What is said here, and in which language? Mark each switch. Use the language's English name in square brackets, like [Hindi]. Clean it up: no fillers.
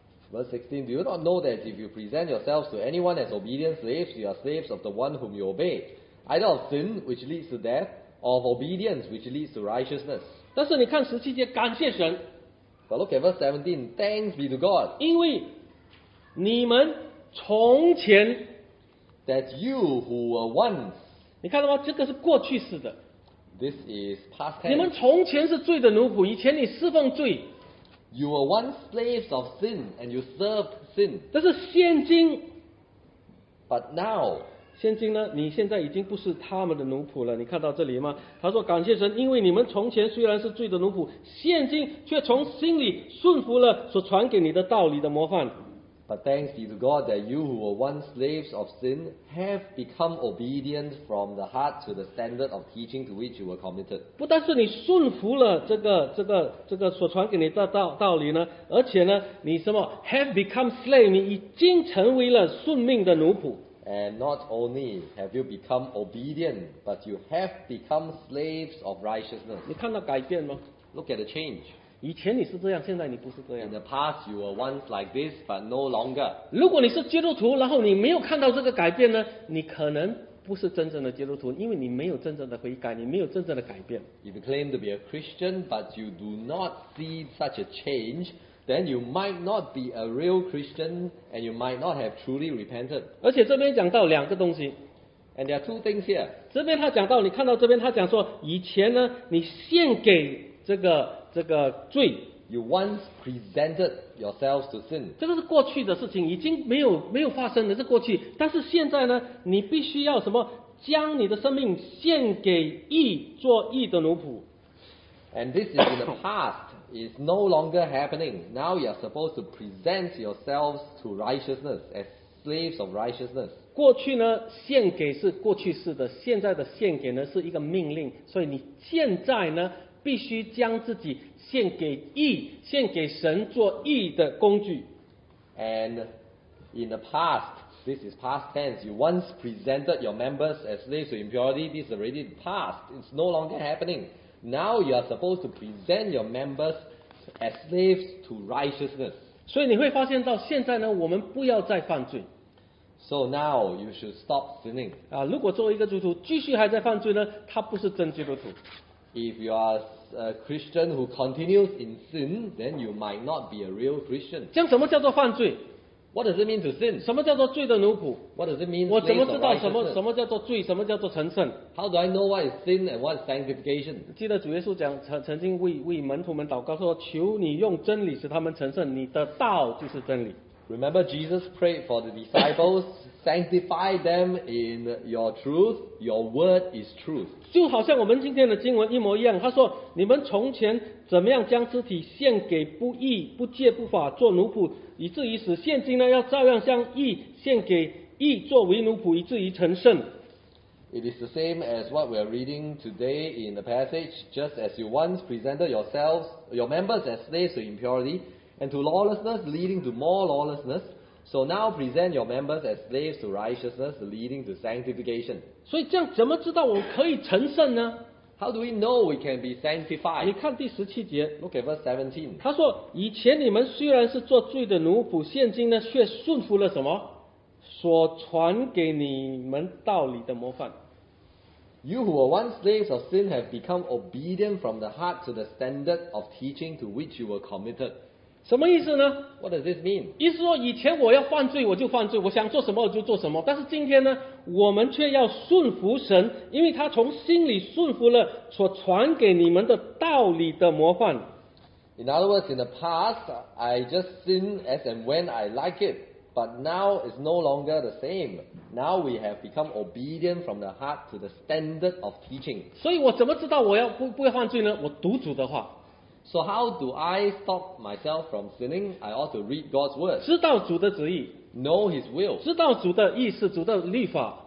[English] Verse 16, "Do you not know that if you present yourselves to anyone as obedient slaves, you are slaves of the one whom you obey, either of sin which leads to death, or of obedience which leads to righteousness?" [Chinese] 但是你看十七节，感谢神。 [English] But look at verse 17, "Thanks be to God." [Chinese] 因为你们从前 [English] That you who were once [Chinese] 你看到吗？这个是过去式的。 [English] This is past tense. [Chinese] 你们从前是罪的奴仆，以前你侍奉罪。 [English] You were once slaves of sin and you served sin. [Chinese] 但是现今 [English] But now [Chinese] 现今呢，你现在已经不是他们的奴仆了。你看到这里吗？他说感谢神，因为你们从前虽然是罪的奴仆，现今却从心里顺服了所传给你的道理的模范。 [English] But thanks be to God that you who were once slaves of sin have become obedient from the heart to the standard of teaching to which you were committed. [Chinese] 不但是你顺服了这个所传给你的道理呢，而且呢，你什么 [English] have become slave， [Chinese] 你已经成为了顺命的奴仆。 [English] And not only have you become obedient, but you have become slaves of righteousness. [Chinese] 你看到改变吗？ [English] Look at the change. [Chinese] 以前你是这样，现在你不是这样。 [English] In the past, you were once like this, but no longer. [Chinese] 如果你是基督徒，然后你没有看到这个改变呢，你可能不是真正的基督徒，因为你没有真正的悔改，你没有真正的改变。 [English] If you claim to be a Christian, but you do not see such a change, then you might not be a real Christian and you might not have truly repented. [Chinese] 而且这边讲到两个东西。 [English] And there are two things here. [Chinese] 这边他讲到，你看到这边他讲说，以前呢，你献给这个罪。 [English] You once presented yourselves to sin. [Chinese] 这个是过去的事情，已经没有发生的，是过去。但是现在呢，你必须要什么，将你的生命献给义，做义的奴仆。 [English] And this is in the past. It's no longer happening. Now you are supposed to present yourselves to righteousness as slaves of righteousness. [Chinese] 过去呢，献给是过去式的，现在的献给呢是一个命令，所以你现在呢必须将自己献给义，献给神做义的工具。 [English] And in the past, this is past tense. You once presented your members as slaves to impurity. This is already past. It's no longer happening. Now you are supposed to present your members as slaves to righteousness. [Chinese] 所以你会发现到现在呢，我们不要再犯罪。 [English] So now you should stop sinning. [Chinese] 啊，如果作为一个基督徒继续还在犯罪呢，他不是真基督徒。 [English] If you are a Christian who continues in sin, then you might not be a real Christian. [Chinese] 这样什么叫做犯罪？ [English] What does it mean to sin? [Chinese] 什么叫做罪的奴仆？ [English] What does it mean? [Chinese] 我怎么知道什么叫做罪，什么叫做成圣？ [English] How do I know what is sin and what is sanctification? [Chinese] 记得主耶稣讲，曾经为门徒们祷告说，求你用真理使他们成圣，你的道就是真理。 [English] Remember Jesus prayed for the disciples, sanctify them in your truth, your word is truth. [Chinese] 就好像我们今天的经文一模一样，他说你们从前怎么样将肢体献给不义、不戒、不法做奴仆以至于死，现今呢要照样将义献给义作为奴仆以至于成圣。 [English] It is the same as what we are reading today in the passage, just as you once presented yourselves, your members as slaves to impurity, and to lawlessness leading to more lawlessness, so now present your members as slaves to righteousness leading to sanctification. [Chinese] 所以这样怎么知道我可以成圣呢？ [English] How do we know we can be sanctified? [Chinese] 你看第十七节， [English] Look at verse 17. [Chinese] 他说以前你们虽然是做罪的奴仆，现今呢却顺服了什么？所传给你们道理的模范。 [English] You who were once slaves of sin have become obedient from the heart to the standard of teaching to which you were committed. [Chinese] 什么意思呢？ [English] What does this mean? [Chinese] 意思说以前我要犯罪我就犯罪，我想做什么我就做什么，但是今天呢，我们却要顺服神，因为他从心里顺服了所传给你们的道理的模范。 [English] In other words, in the past, I just sin as and when I like it. But now it's no longer the same. Now we have become obedient from the heart to the standard of teaching. [Chinese] 所以我怎么知道我不会犯罪呢？我读主的话。 [English] So how do I stop myself from sinning? I ought to read God's word. [Chinese] 知道主的旨意。 [English] Know His will. [Chinese] 知道主的意思，主的律法。